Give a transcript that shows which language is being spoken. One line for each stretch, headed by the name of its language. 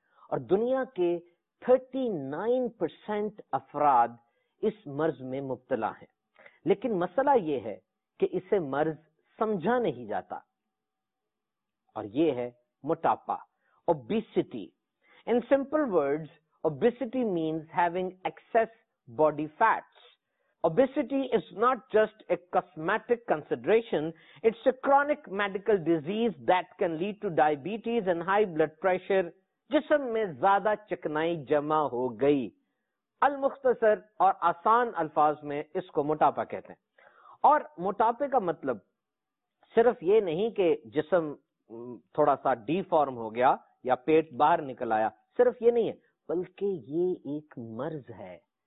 Urdu: اور دنیا کے 39% افراد اس مرض میں مبتلا ہیں، لیکن مسئلہ یہ ہے کہ اسے مرض سمجھا نہیں جاتا، اور یہ ہے موٹاپا، obesity.
English: In simple words, obesity means having excess body fats. Obesity is not just a cosmetic consideration, it's a chronic medical disease that can lead to diabetes and high blood pressure.
Urdu: جسم میں زیادہ چکنائی جمع ہو گئی، المختصر اور آسان الفاظ میں اس کو موٹاپا کہتے ہیں۔ اور موٹاپے کا مطلب صرف یہ نہیں کہ جسم تھوڑا سا ڈی فارم ہو گیا یا پیٹ باہر نکل آیا، صرف یہ نہیں ہے، بلکہ یہ ایک مرض ہے